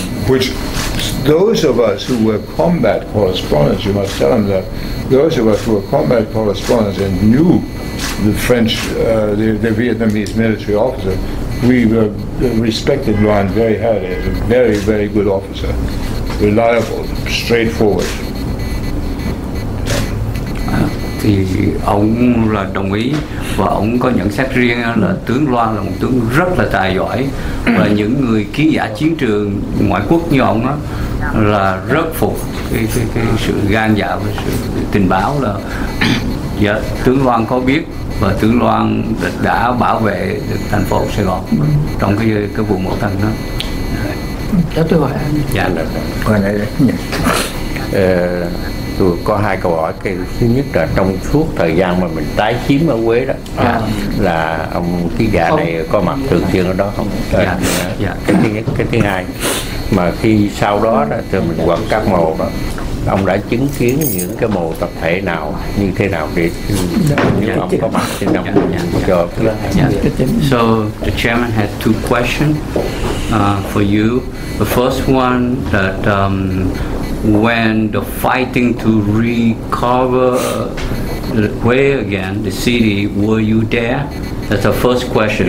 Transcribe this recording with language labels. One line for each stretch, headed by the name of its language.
English: Which those of us who were combat correspondents, you must tell him that, those of us who were combat correspondents and knew the French, the Vietnamese military officer, we respected Luan very highly, a very, very good officer. Reliable, straightforward.
Vietnamese: Thì ông là đồng ý và ông có nhận xét riêng là tướng Loan là một tướng rất là tài giỏi và những người ký giả chiến trường ngoại quốc như ông đó là rất phục cái sự gan dạ và sự tình báo là dạ, tướng Loan có biết và tướng Loan đã bảo vệ được thành phố Sài Gòn trong cái vụ mậu thân đó. Tôi có hai câu hỏi. Cái thứ nhất là trong suốt thời gian mà mình tái chiếm ở Huế đó, là ông ký giả này có mặt thường xuyên ở đó không? Cái thứ hai mà khi sau đó đó, từ mình quản các mồ đó, ông đã chứng kiến những cái mồ tập thể nào như thế nào để ông có mặt trên đồng cho
English: So the chairman had two questions for you. The first one that when the fighting to recover the way again, the city, were you there? That's the first question.